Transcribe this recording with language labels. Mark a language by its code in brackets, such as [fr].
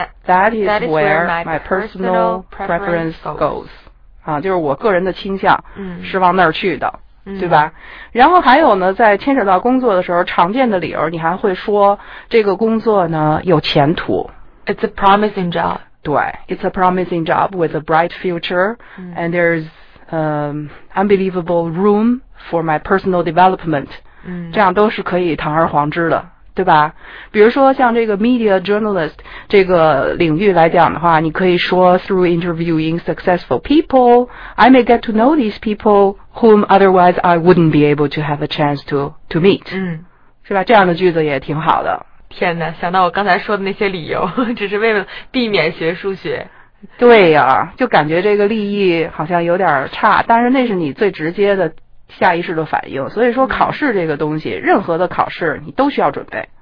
[en] That is where my personal preference goes. [zh] 啊，就是我个人的倾向，嗯，是往那儿去的，嗯，对吧？然后还有呢，在牵扯到工作的时候，常见的理由，你还会说这个工作呢有前途。 [en] It's a promising job. 对 ，it's a promising job with a bright future,、嗯、 and there's unbelievable room for my personal development.、嗯、 [zh] 这样都是可以堂而皇之的，对吧？比如说像这个 media journalist 这个领域来讲的话，你可以说 [en] through interviewing successful people, I may get to know these people whom otherwise I wouldn't be able to have a chance to meet.、嗯、 [zh] 是吧？这样的句子也挺好的。天哪，想到我刚才说的那些理由，只是为了避免学数学。对呀、啊、就感觉这个利益好像有点差，但是那是你最直接的下意识的反应。所以说考试这个东西、嗯、任何的考试你都需要准备。